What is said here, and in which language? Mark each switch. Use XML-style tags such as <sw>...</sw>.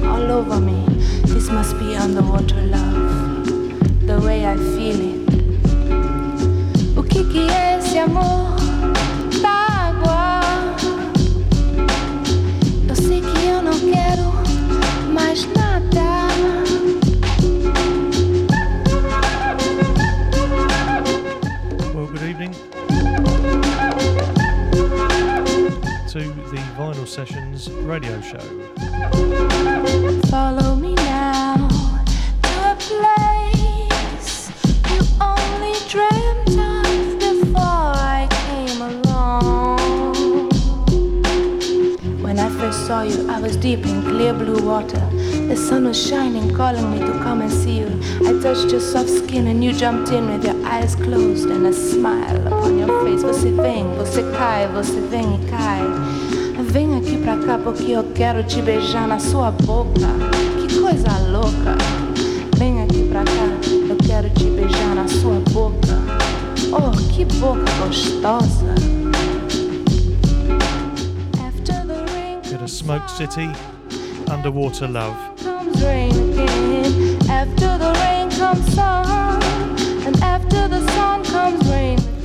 <en>Over me, this must be underwater love, the way I feel it.</en> <pt>O que que é esse amor da água? Eu sei que eu não quero mais nada.</pt> <en>Well, good evening to the Vinyl Sessions radio show. Follow me now to a place you only dreamt of before I came along. When I first saw you, I was deep in clear blue water. The sun was shining, calling me to come and see you. I touched your soft skin and you jumped in with your eyes closed and a smile upon your face.</en> <pt>Você vem, você cai, você vem e cai. Vem aqui pra cá porque eu quero te beijar na sua boca. Que coisa louca. Vem aqui pra cá, eu quero te beijar na sua boca. Oh, que boca gostosa.</pt> <en>After the rain comes sun, Smoke City, underwater love. Comes rain again. After the rain comes sun, and after the sun comes rain.</en>